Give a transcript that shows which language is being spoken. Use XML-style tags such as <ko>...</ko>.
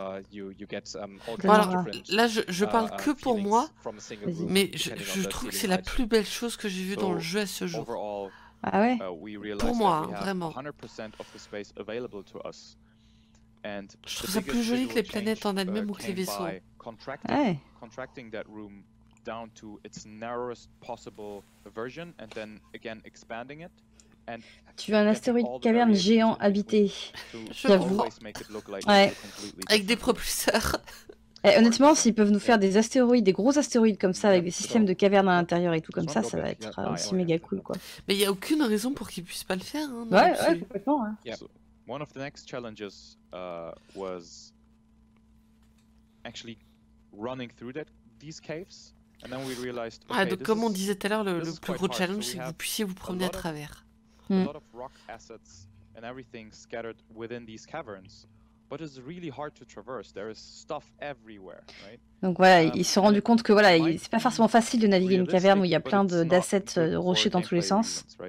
<en>you get, voilà.</en> <fr>Là, je parle que pour moi, mais je trouve que c'est la plus belle chose que j'ai vue dans le jeu à ce jour.</fr> <en>Overall,</en> <fr>ah ouais. Pour moi, vraiment. Je trouve ça plus joli que les planètes en elles-mêmes ou que les vaisseaux.</fr> <en>Contracting that room down to its narrowest possible version and then again expanding it. And</en> <fr>tu veux un astéroïde caverne géant habité. J'avoue. Ouais. Avec des propulseurs. Et honnêtement, s'ils peuvent nous faire des astéroïdes, des gros astéroïdes comme ça, avec des systèmes de cavernes à l'intérieur et tout comme ça, ça va être aussi méga cool, quoi. Mais il n'y a aucune raison pour qu'ils ne puissent pas le faire, hein. Ouais, ouais, complètement, hein.</fr> <en>Yeah. One of the next challenges was actually running through that, these caves, and then we realized, okay,</en> <fr>ah, donc comme on disait tout à l'heure, le plus gros challenge, c'est que vous puissiez vous promener à travers.</fr> <en>A lot of rock assets and everything scattered within these caverns. But it's really hard to traverse. There is stuff everywhere, right?</en> <fr>Donc voilà, ils se sont rendus compte que voilà, c'est pas forcément facile de naviguer une caverne où il y a plein d'assets rochers dans tous les sens.</fr>